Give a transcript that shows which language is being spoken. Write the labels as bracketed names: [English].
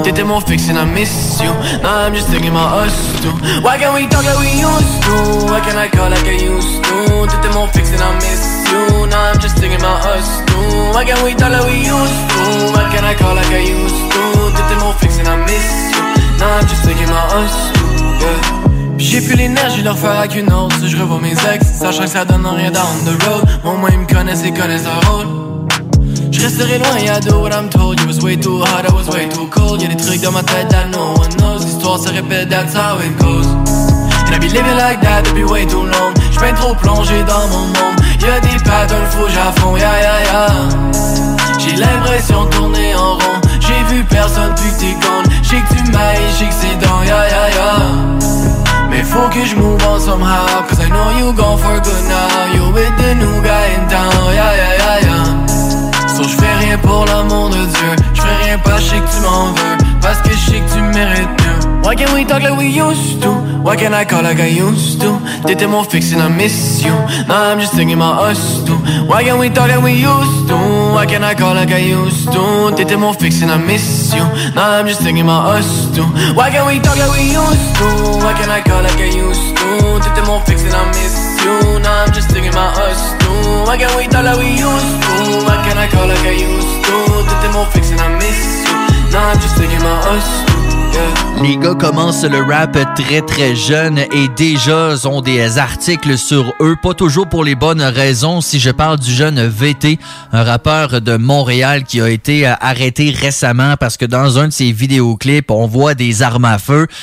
[English] Did them all fix and I miss you. Now I'm just thinking about us too. Why can't we talk like we used to? Why can't I call like I used to? Did them all fix and I miss you. Now I'm just thinking about us too. Why can't we talk like we used to? Why can't I call like I used to? Did them all fix and I miss you. Now I'm just thinking about us too. Yeah. [French] J'ai plus l'énergie de leur faire avec une autre. Je revois mes ex, sachant que ça donne rien [English] down the road. [French] Au moins ils me connaissent, ils connaissent leur rôle. J'resterai loin, [English] I do what I'm told. You was way too hot, I was way too cold. [French] Y'a des trucs dans ma tête [English] that no one knows. [French] L'histoire se répète, [English] that's how it goes. And I be living like that, [French] depuis [English] way too long. [French] J'suis bien trop plongé dans mon monde. Y'a des patterns, faut que j'affronte, yeah, yeah, yeah. J'ai l'impression de tourner en rond. J'ai vu personne, plus que t'es con. J'sais que tu m'aimes, j'sais que c'est dans, yeah, yeah, yeah. Mais faut que je [English] move on somehow. Cause I know you gone for good now. You with the new guy in town. Yeah, yeah, yeah, yeah. [French] So j'fais rien pour l'amour de Dieu. J'fais rien parce que tu m'en veux. Parce que j'sais que tu mérites mieux. [English] Why can't we talk like we used to? Why can't I call like I used to? Did them all fix and I miss you. Now I'm just thinking about us too. Why can't we talk like we used to? Why can't I call like I used to? Did them all fix and I miss you. Now I'm just thinking about us too. Why can't we talk like we used to? Why can't I call like I used to? Did them all fix and I miss you. Now I'm just thinking about us too. Why can't we talk like we used to? Why can't I call like I used to? Did them all fix and I miss you. Now I'm just thinking about us too. [French] Les gars commencent le rap très très jeune et déjà ont des articles sur eux, pas toujours pour les bonnes raisons. Si je parle du jeune VT, un rappeur de Montréal qui a été arrêté récemment parce que dans un de ses vidéoclips, on voit des armes à feu.